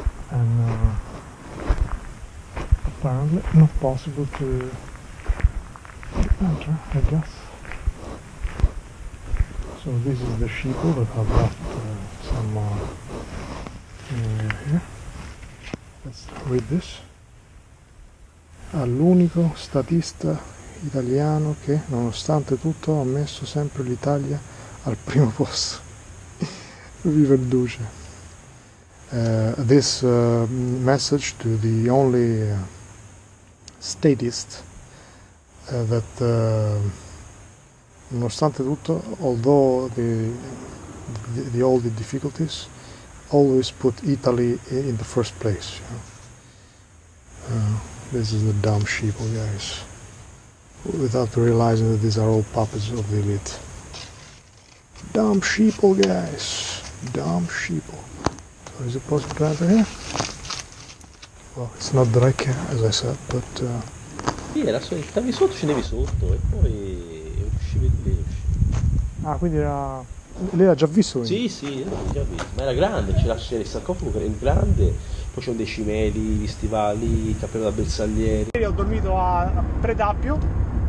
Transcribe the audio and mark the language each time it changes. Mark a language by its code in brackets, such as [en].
[en] And apparently not possible to enter, I guess. So this is the sheeple that have left here. Let's read this. [it] All'unico statista italiano che, nonostante tutto, ha messo sempre l'Italia al primo posto. Viva il Duce. [en] This message to the only statist that [it] nonostante tutto, [en] although the all the difficulties, always put Italy in the first place. You know? This is the dumb sheeple, guys, without realizing that these are all puppets of the elite. Dumb sheeple, guys, dumb sheeple. So is it possible to enter here? Well, it's not that I care, as I said, but... [it] era stavi sotto, scendevi sotto e poi uscivi di lì. Ah, quindi era... lei l'ha già visto? Sì, sì, già visto. Ma era grande, c'era il sarcofago, era grande. Poi c'erano dei cimeli, gli stivali, il cappello da bersaglieri. Ieri ho dormito a Predappio.